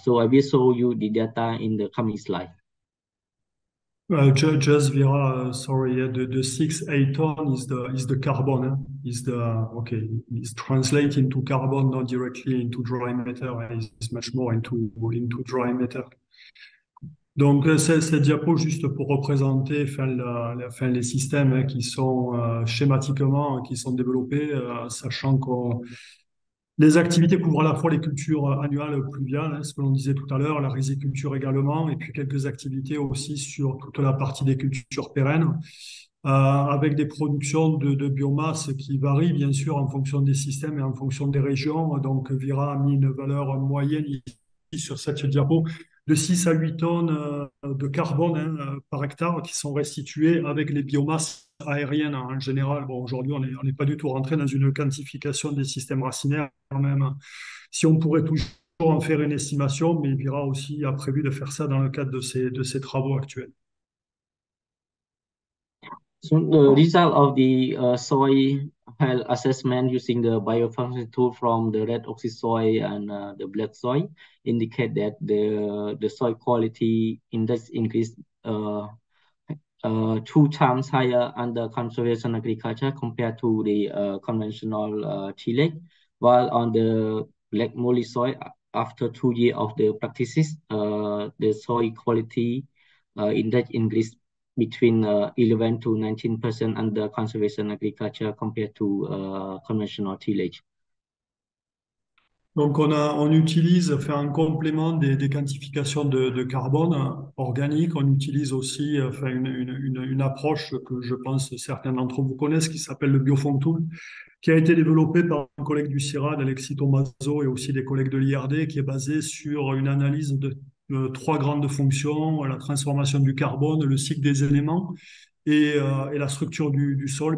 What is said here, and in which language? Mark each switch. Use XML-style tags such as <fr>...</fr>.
<en>So I will show you the data in the coming slide. Just Vera, sorry, yeah, the 6-8 tons is the carbon, eh? Is the okay? It's translated into carbon, not directly into dry matter. It's much more into dry matter.</en> <fr>Donc cette diapo juste pour représenter enfin les systèmes, hein, qui sont schématiquement qui sont développés, sachant qu'on les activités couvrent à la fois les cultures annuelles pluviales, ce que l'on disait tout à l'heure, la riziculture également, et puis quelques activités aussi sur toute la partie des cultures pérennes, avec des productions de biomasse qui varient bien sûr en fonction des systèmes et en fonction des régions. Donc Vira a mis une valeur moyenne ici sur cette diapo de 6 à 8 tonnes de carbone, hein, par hectare, qui sont restituées avec les biomasses aériennes en général. Bon, aujourd'hui, on n'est pas du tout rentré dans une quantification des systèmes racinaires, même si on pourrait toucher en faire une estimation, mais Vira aussi a prévu de faire ça dans le cadre de ses travaux actuels.</fr> <en>So the result of the soil health assessment using the biofunction tool from the red oxy soil and the black soil indicate that the soil quality index increased 2 times higher under conservation agriculture compared to the conventional tillage, while on the black moly soil after 2 years of the practices, the soil quality index increased between 11 to 19% under conservation agriculture compared to conventional tillage.</en> <fr>Donc on utilise, fait un complément des quantifications de carbone organique. On utilise aussi fait une approche que je pense certains d'entre vous connaissent, qui s'appelle le Biofunct Tool, qui a été développé par un collègue du CIRAD, Alexis Tomaso, et aussi des collègues de l'IRD, qui est basé sur une analyse de trois grandes fonctions: la transformation du carbone, le cycle des éléments et la structure du sol.</fr>